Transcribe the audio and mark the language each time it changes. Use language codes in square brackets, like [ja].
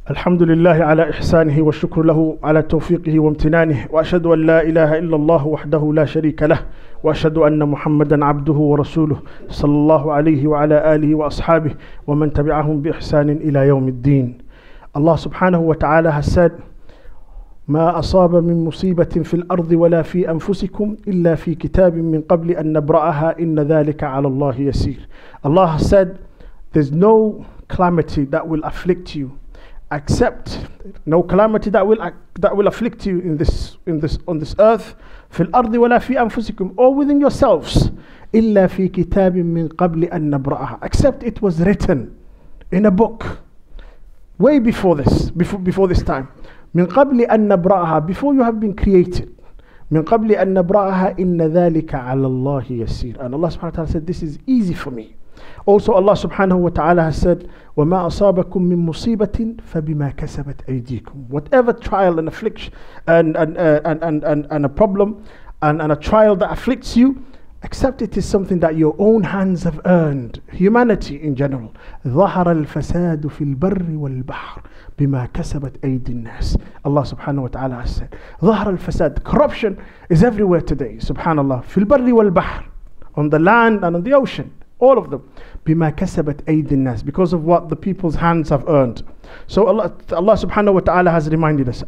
[ar] الحمد لله على إحسانه والشكر له على توفيقه وامتنانه, وأشهد أن لا إله إلا الله وحده لا شريك له, وأشهد أن محمدا عبده ورسوله صلى الله عليه وعلى آله وأصحابه ومن تبعهم بإحسان إلى يوم الدين. [en] Allah subhanahu wa ta'ala has said, [ar] مَا أَصَابَ مِن مُصِيبَةٍ فِي الْأَرْضِ وَلَا فِي أَنفُسِكُمْ إِلَّا فِي كِتَابٍ مِّن قَبْلِ أَن نَبْرَأَهَا إِنَّ ذَلِكَ عَلَى اللَّهِ يَسِيرٌ. [en] Allah has said, there's no calamity that will afflict you accept no calamity that will afflict you on this earth. [ar] في الأرض ولا في أنفسكم, [en] or within yourselves. [ar] إلا في كتاب من قبل أن نبرأها. [en] Except it was written in a book way before this time. [ar] من قبل أن نبرأها, [en] before you have been created. [ar] من قبل أن نبرأها إن ذلك على الله يسير. [en] And Allah subhanahu wa ta'ala said, this is easy for me. Also Allah subhanahu wa ta'ala has said, [ar] وما أصابكم من مصيبة فبما كسبت أيديكم. [en] Whatever trial and affliction and a problem and a trial that afflicts you, except it is something that your own hands have earned. Humanity in general. [ar] ظهر الفساد في البر والبحر بما كسبت أيدي الناس. [en] Allah subhanahu wa ta'ala has said, [ar] ظهر الفساد. [en] Corruption is everywhere today. Subhanallah. [ar] في البر والبحر. [en] On the land and on the ocean. All of them. [ar] بما كسبت أيدي الناس. [en] Because of what the people's hands have earned. So Allah subhanahu wa ta'ala has reminded us.